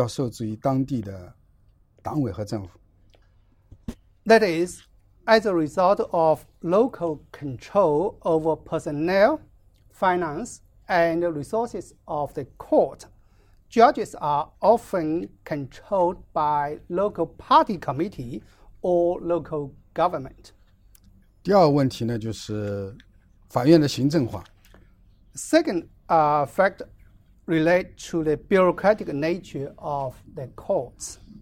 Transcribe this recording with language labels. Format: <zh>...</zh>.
<zh>法院的人财物受制于地方，法官在法院外部要受制于当地的党委和政府。</zh> <en>That is, as a result of local control over personnel, finance, and resources of the court, judges are often controlled by local party committee or local government.</en> <zh>第二问题呢，就是法院的行政化。</zh> <en>Second fact relates to the bureaucratic nature of the courts.</en>